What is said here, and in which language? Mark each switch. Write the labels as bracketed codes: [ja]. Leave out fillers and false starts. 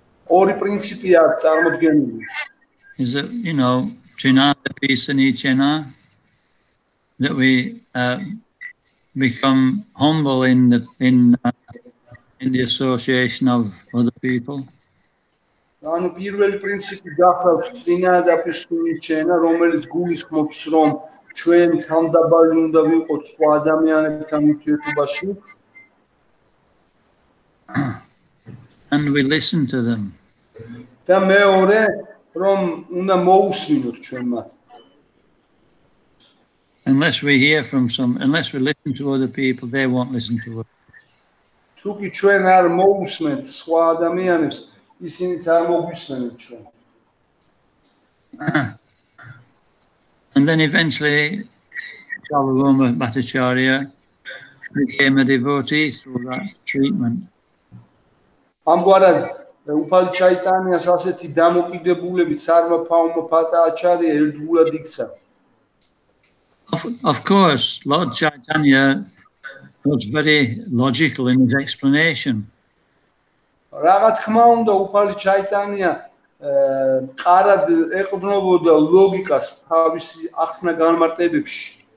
[ka] ორი პრინციპი არ წარმოდგენილი. [en] Is that, you know, Trinada Pisani Chena, that we become humble in the association of other people. [ka] ანუ პირველი პრინციპი გახლავთ წინადა პირსული ჩენა, რომელიც გულისხმობს, რომ ჩვენ თანდაბალი უნდა ვიყოთ სხვა ადამიანებთან ურთიერთობაში. [en] And we listen to them. [ka] და მეორე, რომ უნდა მოусმინოთ ჩვენ მათ. [en] Unless we hear from some, unless we listen to other people, they won't listen to us. [ka] თუკი ჩვენ არ მოусმენთ სხვა ადამიანებს, ისინი არ მოგვისმენენ ჩვენ. [en] And then eventually Kacharava Bhattacharya became a devotee through that treatment. [ka] ამგვარად უფალი ჩაიტანიას ასეთი დამოკიდებულებით სარვაფაუმა ფატაჩარია ერთგულად იქცა. [en] Of course, Lord Chaitanya was very logical in his explanation. [ka] რაღაც თქმა უნდა, უფალი ჩაიტანია ყარად ეყრდნობოდა ლოგიკას თავისი ახსნა განმარტებებში.